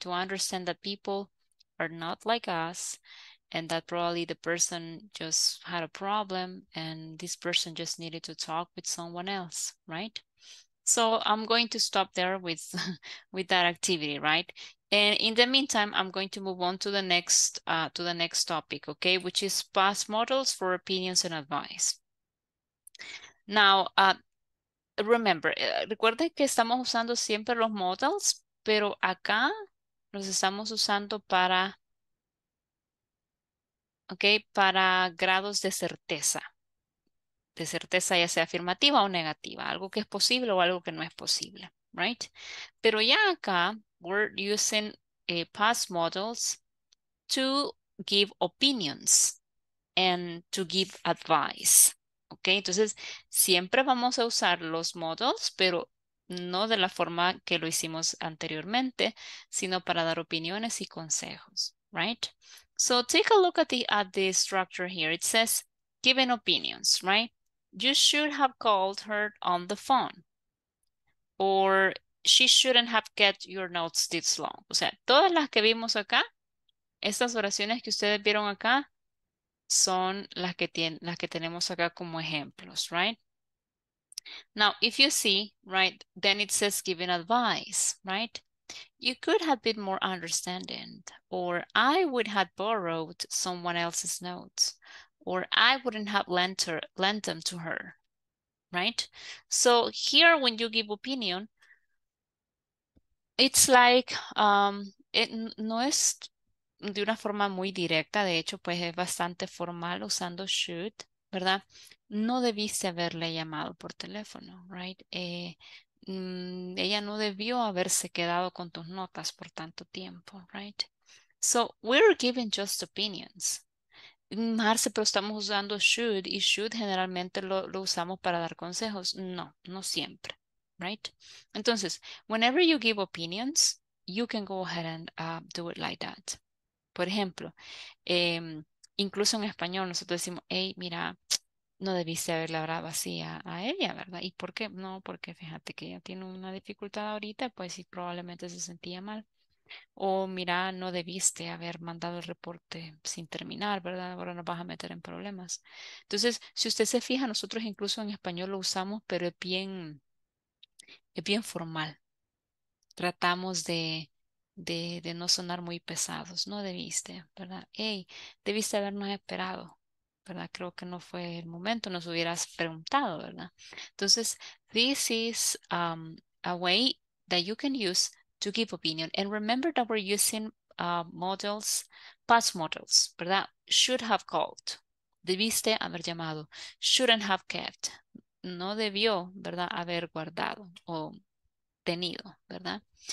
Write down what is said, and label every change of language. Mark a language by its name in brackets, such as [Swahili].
[English] To understand that people are not like us and that probably the person just had a problem and this person just needed to talk with someone else, right? So I'm going to stop there with that activity, right? And in the meantime, I'm going to move on to the next topic, okay? Which is past models for opinions and advice. Now, remember, [Spanish] recuerden que estamos usando siempre los models, pero acá los estamos usando para, okay, para grados de certeza. De certeza, ya sea afirmativa o negativa, algo que es posible o algo que no es posible, right? Pero ya acá, [English] we're using past models to give opinions and to give advice, okay? [Spanish] Entonces, siempre vamos a usar los models, pero no de la forma que lo hicimos anteriormente, sino para dar opiniones y consejos, right? [English] So take a look at the structure here. It says, giving opinions, right? You should have called her on the phone. Or she shouldn't have kept your notes this long. [Spanish] O sea, todas las que vimos acá, estas oraciones que ustedes vieron acá, son las que tenemos acá como ejemplos, right? [English] Now, if you see, right, then it says giving advice, right? You could have been more understanding. Or I would have borrowed someone else's notes. Or I wouldn't have lent them to her, right? So here, when you give opinion, it's like, it [Spanish] no es de una forma muy directa, de hecho, pues es bastante formal usando should, ¿verdad? No debiste haberle llamado por teléfono, right? Ella no debió haberse quedado con tus notas por tanto tiempo, right? [English] So we're giving just opinions. [Spanish] Marce, pero estamos usando should y should generalmente lo usamos para dar consejos. No, no siempre, right? [English] Entonces, whenever you give opinions, you can go ahead and do it like that. [Spanish] Por ejemplo, incluso en español nosotros decimos, hey, mira, no debiste haberle hablado así a ella, ¿verdad? ¿Y por qué? No, porque fíjate que ella tiene una dificultad ahorita, pues sí, probablemente se sentía mal. O mira, no debiste haber mandado el reporte sin terminar, ¿verdad? Ahora nos vas a meter en problemas. Entonces, si usted se fija, nosotros incluso en español lo usamos, pero es bien formal. Tratamos de no sonar muy pesados. No debiste, ¿verdad? Hey, debiste habernos esperado, ¿verdad? Creo que no fue el momento, nos hubieras preguntado, ¿verdad? [English] Entonces, this is a way that you can use to give opinion. And remember that we're using models, past models, ¿verdad? Should have called. [Spanish] Debiste haber llamado. [English] Shouldn't have kept. [Spanish] No debió, ¿verdad? Haber guardado o tenido, ¿verdad?